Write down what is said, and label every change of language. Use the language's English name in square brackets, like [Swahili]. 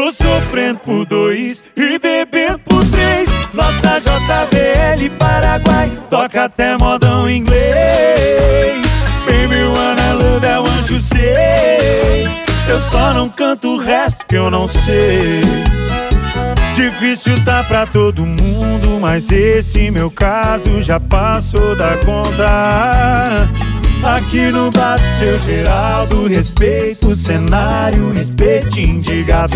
[Portuguese] sofrendo por dois e bebendo por três. Nossa JBL Paraguai toca até modão inglês. [English] Baby, wanna love, I want you say. [Portuguese] Eu só não canto o resto que eu não sei. Difícil tá pra todo mundo, mas esse meu caso já passou da conta. Aqui no bar do seu Geraldo, respeito o cenário, espetinho de gato.